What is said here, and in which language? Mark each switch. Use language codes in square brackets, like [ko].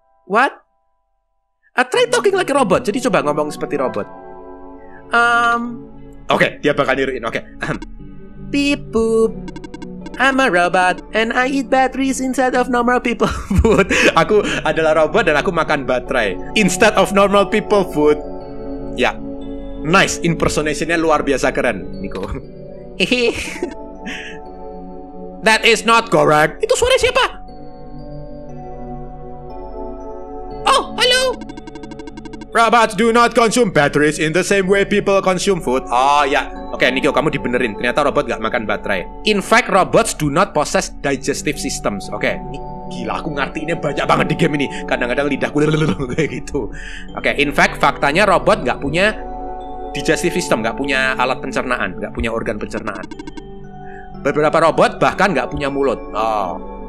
[en] What? Try talking like a robot. [id] Jadi coba ngomong seperti robot. Oke, dia bakal nyuruhin. Oke. Beep boop. [en] I'm a robot and I eat batteries instead of normal people food. [id] Aku adalah robot dan aku makan baterai [en] instead of normal people food. [id] Ya. Yeah. Nice, impersonationnya luar biasa keren, Nico. [en] That is not correct. [id] Itu suara siapa? [en] Oh, hello. Robots do not consume batteries in the same way people consume food. Oh, ya. [id] Oke, Nico, kamu dibenerin. Ternyata robot gak makan baterai. [en] In fact, robots do not possess digestive systems. [id] Oke, gila, aku ngerti ini banyak banget di game ini. Kadang-kadang lidahku kayak gitu. Oke, in fact, faktanya robot gak punya digestive system, gak punya alat pencernaan, gak punya organ pencernaan. Beberapa robot bahkan gak punya mulut. Oh.